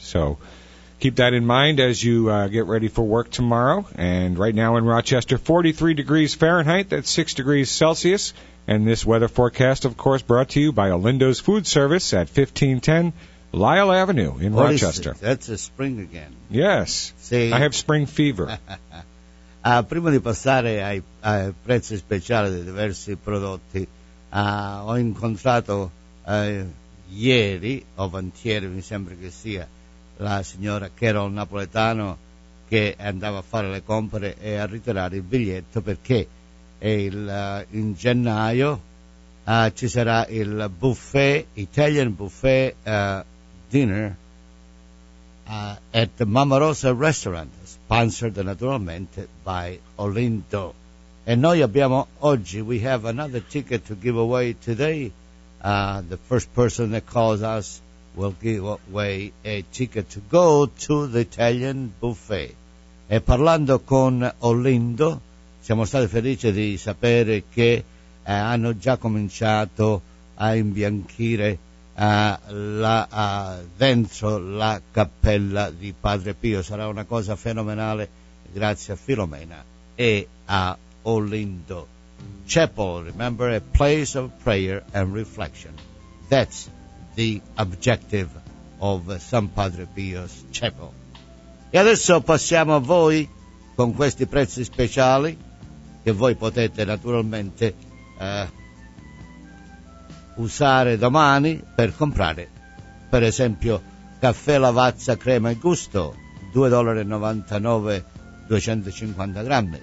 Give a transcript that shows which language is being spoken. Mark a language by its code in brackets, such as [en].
[en] So keep that in mind as you get ready for work tomorrow. And right now in Rochester, 43 degrees Fahrenheit, that's 6 degrees Celsius. And this weather forecast, of course, brought to you by Olindo's Food Service at 1510 Lyle Avenue in Rochester. That's a spring again. Yes. See? I have spring fever. [it] Prima di passare ai prezzi speciali dei diversi prodotti, ho incontrato ieri, o avantieri, mi sembra che sia, la signora Carol Napoletano, che andava a fare le compere e a ritirare il biglietto, perché in gennaio ci sarà il buffet, Italian Buffet Dinner at the Mamma Rosa Restaurant, sponsored naturalmente by Olindo. [en] And [it] noi abbiamo oggi, [en] we have another ticket to give away today. The first person that calls us will give away a ticket to go to the Italian buffet. [it] E parlando con Olindo, siamo stati felici di sapere che hanno già cominciato a imbianchire dentro la cappella di Padre Pio. Sarà una cosa fenomenale, grazie a Filomena e a Olindo. [en] Chapel, remember, a place of prayer and reflection. That's the objective of San Padre Pio's chapel. [it] E adesso passiamo a voi con questi prezzi speciali che voi potete naturalmente usare domani per comprare, per esempio, caffè Lavazza crema e gusto, $2.99, 250 grammi.